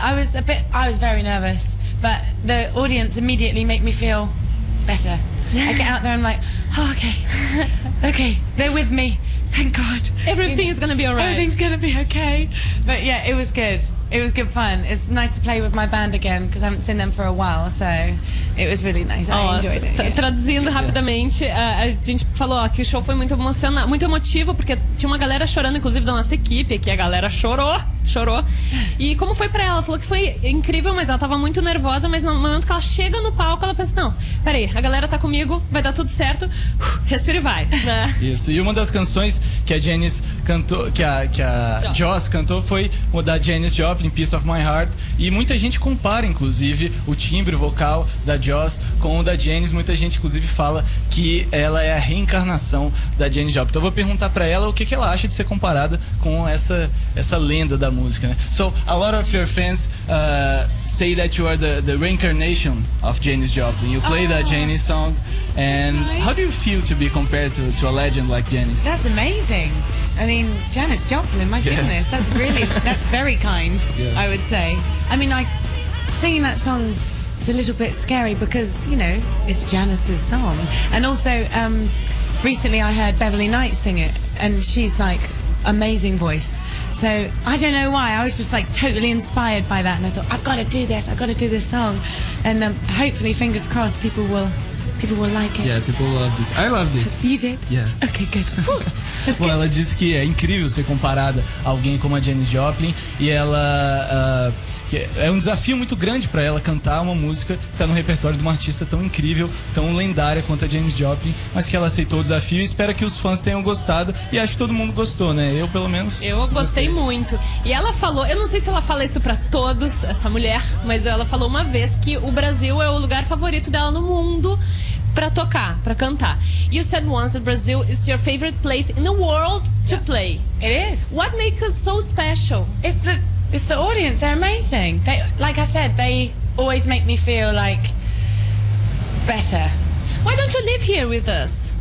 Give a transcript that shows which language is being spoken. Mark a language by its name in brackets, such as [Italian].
[English] I was very nervous, but the audience immediately made me feel better. I get out there and I'm like, oh, okay, they're with me, thank God. Everything is going to be alright. Everything's going to be okay. But yeah, it was good. It was good fun. It's nice to play with my band again, because I haven't seen them for a while, so it was really nice. Oh, I enjoyed it. Yeah. [Portuguese] Traduzindo rapidamente, a gente falou que o show foi muito emocionante, muito emotivo, porque tinha uma galera chorando, inclusive da nossa equipe, que a galera chorou. E como foi pra ela? Falou que foi incrível, mas ela tava muito nervosa, mas no momento que ela chega no palco, ela pensa, não, peraí, a galera tá comigo, vai dar tudo certo, respira e vai, né? Isso, e uma das canções que a Janis cantou, que a Joss cantou, foi o da Janis Joplin, Piece of My Heart, e muita gente compara, inclusive, o timbre vocal da Joss com o da Janis, muita gente, inclusive, fala que ela é a reencarnação da Janis Joplin. Então eu vou perguntar pra ela o que ela acha de ser comparada com essa lenda da música, né? [English] So, a lot of your fans say that you are the reincarnation of Janis Joplin. You play that Janis song, and nice. How do you feel to be compared to a legend like Janis? That's amazing. I mean, Janis Joplin, my goodness, that's really, that's very kind, yeah. I would say. I mean, like, singing that song is a little bit scary because, you know, it's Janis's song. And also, recently I heard Beverly Knight sing it, and she's like, amazing voice. So I don't know why, I was just like totally inspired by that, and I thought, I've got to do this song, and hopefully, fingers crossed, people will people will like it. Yeah, people loved it. I loved it. You did? Yeah. Okay, good. [Portuguese] Bom, well, ela disse que é incrível ser comparada a alguém como a Janis Joplin. E ela... é um desafio muito grande pra ela cantar uma música que tá no repertório de uma artista tão incrível, tão lendária quanto a Janis Joplin. Mas que ela aceitou o desafio e espera que os fãs tenham gostado. E acho que todo mundo gostou, né? Eu, pelo menos, Eu gostei muito. E ela falou... Eu não sei se ela fala isso pra todos, essa mulher. Mas ela falou uma vez que o Brasil é o lugar favorito dela no mundo pra tocar, pra cantar. [English] You said once that Brazil is your favorite place in the world to play. It is. What makes us so special? It's the audience. They're amazing. They, like I said, they always make me feel like better. Why don't you live here with us?